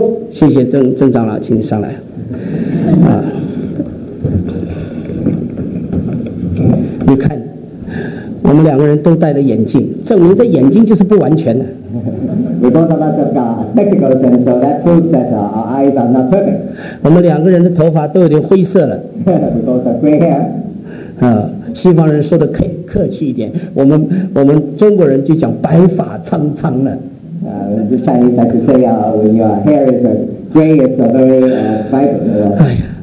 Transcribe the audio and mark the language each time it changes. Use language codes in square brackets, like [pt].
[zh] 谢谢郑长老，请你上来。啊，你看，我们两个人都戴了眼镜，证明这眼镜就是不完全的。 [en] We both of us have got spectacles, and so that proves that our eyes are not perfect. [zh] 我们两个人的头发都有点灰色了。 [en] We both have gray hair. [zh] 西方人说的客气一点，我们中国人就讲白发苍苍了。 [en] The Chinese like to say, when your hair is gray, it's a very vibrant.